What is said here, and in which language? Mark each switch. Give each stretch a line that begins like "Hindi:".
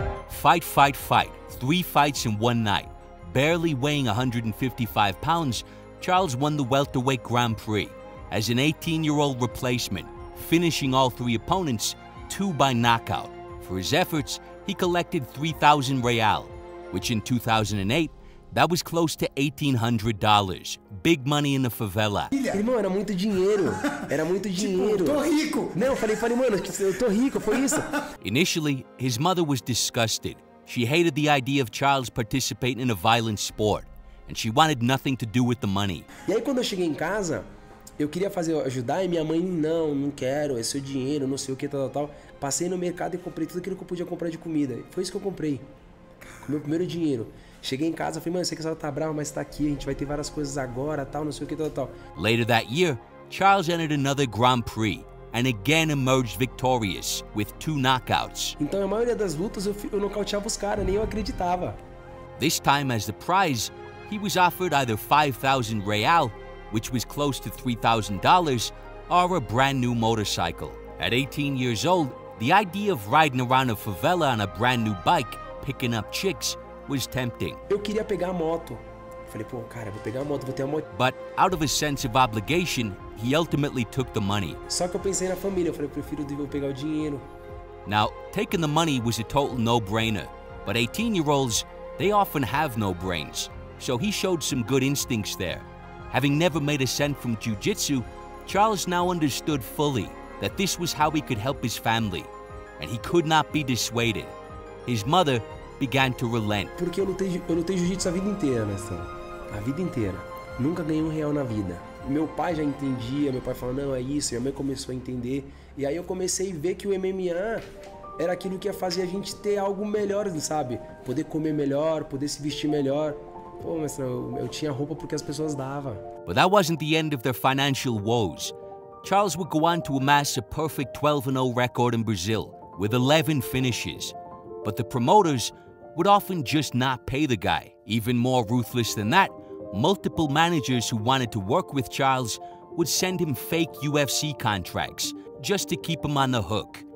English: Fight, fight, fight. Three fights in one night. Barely weighing 155 pounds, Charles won the welterweight Grand Prix as an 18-year-old replacement, finishing all three opponents two by knockout. For his efforts, he collected 3,000 real, which in 2008, that was close to $1,800. Big money in the favela.
Portuguese: Irmão, era muito dinheiro. Era muito dinheiro. Tipo, tô rico. Não, falei, mano, eu tô rico, foi isso.
English: Initially, his mother was disgusted. She hated the idea of Charles participating in a violent sport, and she wanted nothing to do with the money.
Portuguese: E aí quando eu cheguei em casa, eu queria fazer ajudar e minha mãe não quero, é seu dinheiro, não sei o que tal. Passei no mercado e comprei tudo aquilo que eu podia comprar de comida. Foi isso que eu comprei. Com meu primeiro dinheiro. Cheguei em casa, falei, mano, sei que a senhora tá brava, mas tá aqui, a gente vai ter várias coisas agora, tal, não sei o que, tal.
English: Later that year, Charles entered another Grand Prix and again emerged victorious with two knockouts.
Portuguese: Então, a maioria das lutas eu nocauteava os caras, nem eu acreditava.
English: This time as the prize, he was offered either 5,000 real, which was close to $3,000, or a brand new motorcycle. At 18 years old, the idea of riding around a favela on a brand new bike, picking up chicks, was tempting.
Portuguese: Eu queria pegar a moto. Falei, pô, cara, vou pegar a moto, vou ter a moto.
English: But out of a sense of obligation, he ultimately took the money.
Portuguese: Só que eu pensei na família, eu falei, prefiro devolver pegar o dinheiro.
English: Now, taking the money was a total no-brainer. But 18-year-olds, they often have no brains. So he showed some good instincts there. Having never made a cent from jiu-jitsu, Charles now understood fully that this was how he could help his family, and he could not be dissuaded. His mother began to relent.
Portuguese: Porque eu lutei jiu-jitsu a vida inteira, né, Sam? A vida inteira. Nunca ganhei um real na vida. Meu pai já entendia, meu pai falou, não, é isso. Minha mãe começou a entender. E aí eu comecei a ver que o MMA era aquilo que ia fazer a gente ter algo melhor, sabe? Poder comer melhor, poder se vestir melhor. Pô, mas eu tinha roupa porque as pessoas davam.
English: But that wasn't the end of their financial woes. Charles would go on to amass a perfect 12-0 record in Brazil with 11 finishes. But the promoters would often just not pay the guy. Even more ruthless than that, multiple managers who wanted to work with Charles would send him fake UFC contracts just to keep him on the hook.